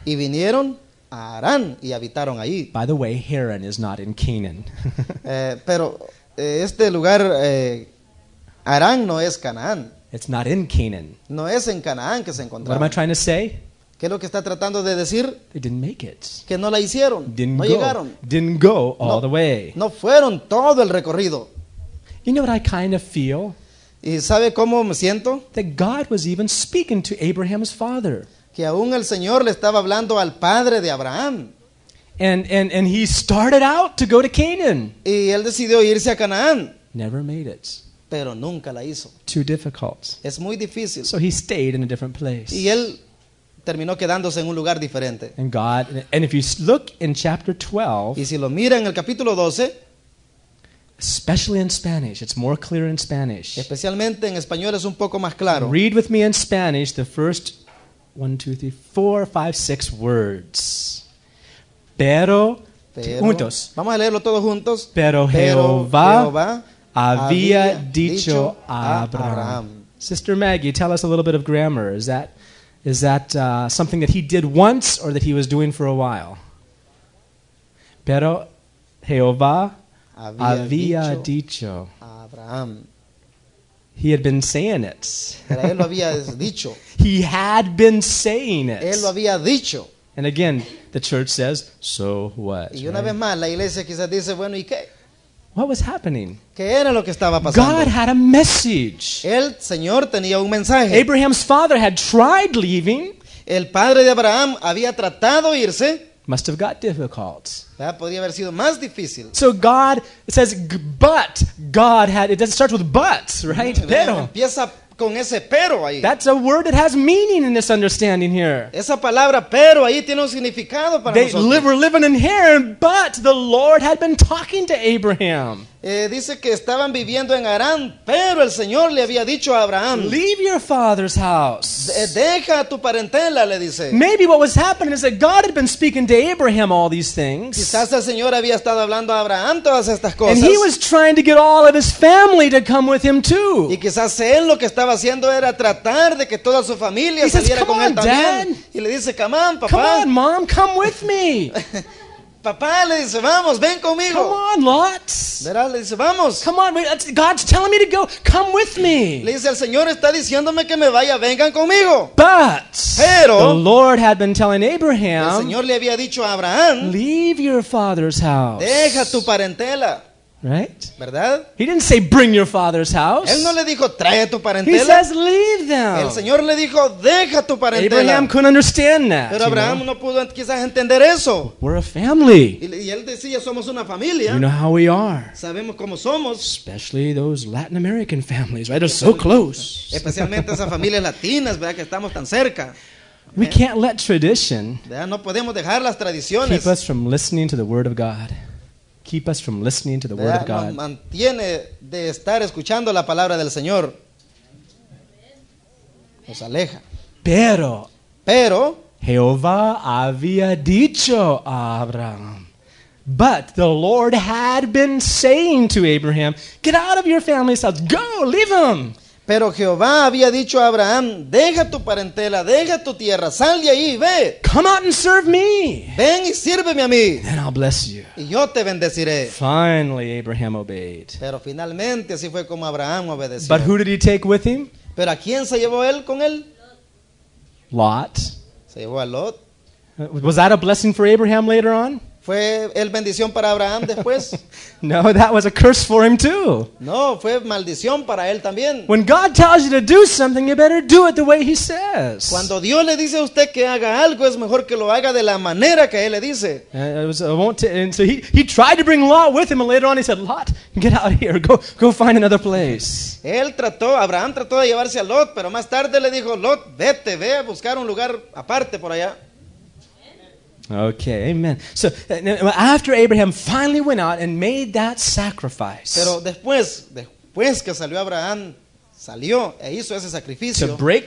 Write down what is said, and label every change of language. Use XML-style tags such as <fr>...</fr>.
<es>Y vinieron a Harán y habitaron allí.</es> <en>By the way, Haran is not in Canaan.</en> <es>pero este lugar Harán no es Canaán.</es> <en>It's not in Canaan.</en> <es>No es en Canaán que se encontraba.</es> <en>What am I trying to say?</en> <es>¿Qué es lo que está tratando de decir?</es> <en>They didn't make it.</en> <es>Que no la hicieron.</es> <en>Didn't</en> <es>no</es> <en>go.</en> <es>Llegaron.</es> <en>Didn't go all the way.</en> <es>No fueron todo el recorrido.</es> <en>You know what I kind of feel?</en> <es>¿Y sabe cómo me siento?</es> <en>That God was even speaking to Abraham's father.</en> <es>Que aún el Señor le estaba hablando al padre de Abraham.</es> <en>And he started out to go to Canaan.</en> <es>Y él decidió irse a Canaán.</es> <en>Never made it.</en> <es>Pero nunca la hizo.</es> <en>Too difficult.</en> <es>Es muy difícil.</es> <en>So he stayed in a different place.</en> <es>Y él terminó quedándose en un lugar diferente.</es> <en>And God, and if you look in chapter 12,</en> <es>y si lo mira en el capítulo 12,</es> <en>especially in Spanish, it's more clear in Spanish.</en> <es>Especialmente en español es un poco más claro.</es> <en>Read with me in Spanish the first 1, 2, 3, 4, 5, 6 words.</en> <es>Pero juntos. Vamos a leerlo todos juntos. Pero Jehová había dicho a Abraham.</es> <en>Sister Maggie, tell us a little bit of grammar. Is that something that he did once or that he was doing for a while?</en> <es>Pero Jehová había dicho a Abraham.</es> <en>He had been saying it.</en> <es>Él lo había dicho.</es> <en>He had been saying it.</en> <es>Él lo había dicho.</es> <en>And again, the church says, so what?</en> <es>Y una vez más, la iglesia quizás dice, bueno, ¿y qué?</es> <en>What was happening?</en> <es>¿Qué era lo que estaba pasando?</es> <en>God had a message.</en> <es>El Señor tenía un mensaje.</es> <en>Abraham's father had tried leaving.</en> <es>El padre de Abraham había tratado irse.</es> <en>Must have got difficult.</en> <es>¿Verdad? Podría haber sido más difícil.</es> <en>So God, it says, but God had, it starts with but, right?</en> <es>Pero. Empieza con ese pero ahí.</es> <en>That's a word that has meaning in this understanding here.</en> <es>Esa palabra pero ahí tiene un significado para</es> <en>they</en> <es>nosotros.</es> <en>They were living in Haran, but the Lord had been talking to Abraham.</en> <es>Dice que estaban viviendo en Harán, pero el Señor le había dicho a Abraham.</es> <en>Leave your father's house.</en> <es>Deja tu parentela, le dice.</es> <en>Maybe what was happening is that God had been speaking to Abraham all these things.</en> <es>Quizás el Señor había estado hablando a Abraham todas estas cosas.</es> <en>And he was trying to get all of his family to come with him too.</en> <es>Y quizás él lo que estaba haciendo era tratar de que toda su familia</es> <en>he</en> <es>saliera</es> <en>says,</en> <es>con él</es> <en>on,</en> <es>también.</es> <en>Dad.</en> <es>Y le dice,</es> <en>come on,</en> <es>papá.</es> <en>Come on, mom, come with me.</en> <es>Papá le dice, vamos, ven conmigo.</es> <en>Come on, Lot.</en> <es>¿Verdad? Le dice, vamos.</es> <en>Come on, God's telling me to go. Come with me.</en> <es>Le dice, el Señor está diciéndome que me vaya, vengan conmigo.</es> <en>But</en> <es>pero,</es> <en>the Lord had been telling Abraham,</en> <es>el Señor le había dicho a Abraham,</es> <en>leave your father's house.</en> <es>Deja tu parentela.</es> <en>Right?</en> <es>¿Verdad?</es> <en>He didn't say bring your father's house.</en> <es>Él no le dijo trae tu parentela.</es> <en>He says leave them.</en> <es>El Señor le dijo deja tu parentela.</es> <en>Abraham couldn't understand that.</en> <es>Pero Abraham,</es> <en>you know,</en> <es>no pudo quizás entender eso.</es> <en>We're a family.</en> <es>Y él decía somos una familia.</es> <en>You know how we are.</en> <es>Sabemos cómo somos.</es> <en>Especially those Latin American families, right? They're so close.</en> <es>Especialmente esas familias latinas, ¿verdad? Que estamos tan cerca.</es> <en>We can't let tradition,</en> <es>¿verdad? No podemos dejar las tradiciones.</es> <en>Keep us from listening to the word of God. Keep us from listening to the word of God.</en> <es>Mantiene de estar escuchando la palabra del Señor. nos aleja. Pero Jehová había dicho a Abraham.</es> <en>But the Lord had been saying to Abraham, get out of your family's house, go, leave him.</en> <es>Pero Jehová había dicho a Abraham, deja tu parentela, deja tu tierra, sal de ahí, ve.</es> <en>Come out and serve me.</en> <es>Ven y sírveme a mí.</es> <en>And I'll bless you.</en> <es>Y yo te bendeciré.</es> <en>Finally, Abraham obeyed.</en> <es>Pero finalmente así fue como Abraham obedeció.</es> <en>But who did he take with him?</en> <es>Pero ¿a quién se llevó él con él?</es> <en>Lot.</en> <es>Se llevó a Lot.</es> <en>Was that a blessing for Abraham later on?</en> <es>¿Fue él bendición para Abraham después?</es> <en>No, that was a curse for him too.</en> <es>No, fue maldición para él también.</es> <en>When God tells you to do something, you better do it the way he says.</en> <es>Cuando Dios le dice a usted que haga algo, es mejor que lo haga de la manera que él le dice.</es> <en>And so he tried to bring Lot with him, and later on he said, Lot, get out of here, go find another place.</en> <es>Abraham trató de llevarse a Lot, pero más tarde le dijo, Lot, vete, ve a buscar un lugar aparte por allá.</es> <en>Okay, amen. So after Abraham finally went out and made that sacrifice.</en> <es>Pero después que salió Abraham, salió e hizo ese sacrificio.</es>